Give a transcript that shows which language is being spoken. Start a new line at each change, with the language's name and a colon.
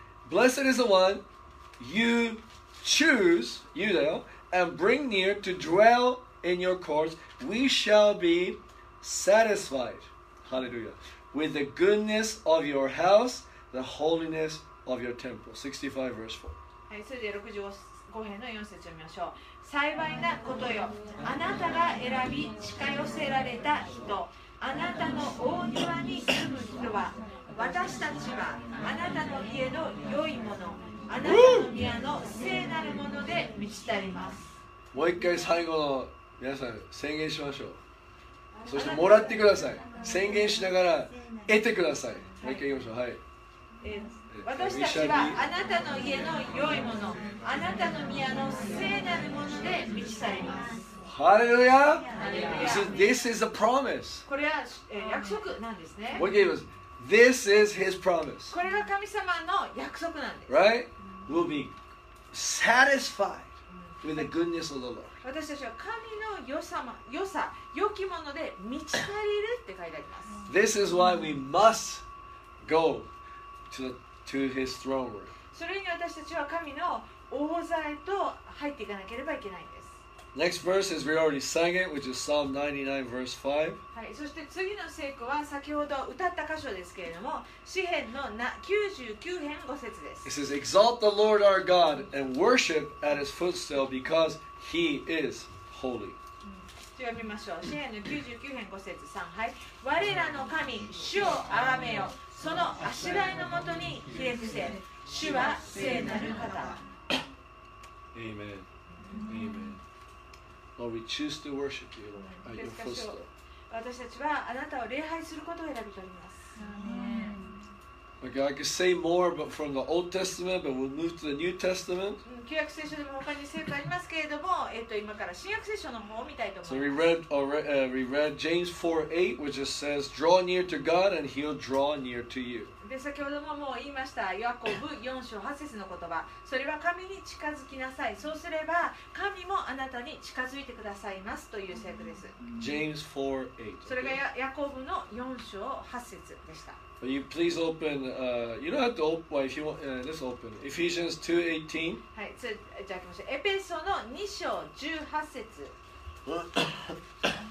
English: Blessed is the one you choose, you
Japanese: だよ、
English: and bring near to dwell in your courts. We shall be satisfied, hallelujah, with the goodness of your house, the holiness of your temple. 65 verse 4.
Japanese: はい、それで65編の4節を読みましょう。幸いなことよ、あなたが選び近寄せられた人、あなたの大庭に住む人は、私たちはあなたの家の良いもの、あなたの宮の聖なるもので満ち足ります。もう一回最後の皆さん宣言しましょう。そしてもらってください。宣言しながら得てください。もう一回言いましょう。はい、私たちはあなたの家の良いもの、あなたの宮の聖なるもので満ち足ります。ハレルヤ。
English: This is a promise.
Japanese: これは約束なんですね。
English: What he gave us. This is his promise.
Japanese: これが神様の約束なんです。
English: Right? We'll be satisfied with the goodness of the Lord.
Japanese: 私たちは神の良さ、良きもので満ち足りるって書いてあります。
English: This is why we must go to the throne room.
Japanese: それに私たちは神の大財と入っていかなければいけないんです。
English: Next verse is we already sang it, which is Psalm 99, verse 5.
Japanese: はい、そして次の聖句は先ほど歌った箇所ですけれども、詩編の99編5節です。
English: It says, Exalt the Lord our God and worship at his footstool because he is holy.
Japanese: 読みましょう。詩編の99編5節3。はい。我らの神、主をあがめよ。その足台のもとにひれ伏せ。主は聖なる方。
English: Amen. Amen. Lord, we choose to worship you, Lord, at your footstool.
Japanese: 私たちはあなたを礼拝することを選び取ります。
English: Okay, I could say more, but from the Old Testament, but we'll move to the New Testament.
Japanese: 旧約聖書でも他に聖句ありますけれども、今から新約聖書の方を見たいと思います。
English: So we read James 4:8, which just says, "Draw near to God, and He'll draw near to you."
Japanese: で先ほどももう言いましたヤコブ4章8節の言葉、それは神に近づきなさい。そうすれば神もあなたに近づいてくださいますという聖句です。
English: James 4:8.
Japanese: それがヤコブの4章8節でした。
English: But you please open, you don't have to open, well, if you want, let's open. Ephesians 2:18.
Japanese: はい、じゃあ行きましょう。エペソの2章18節。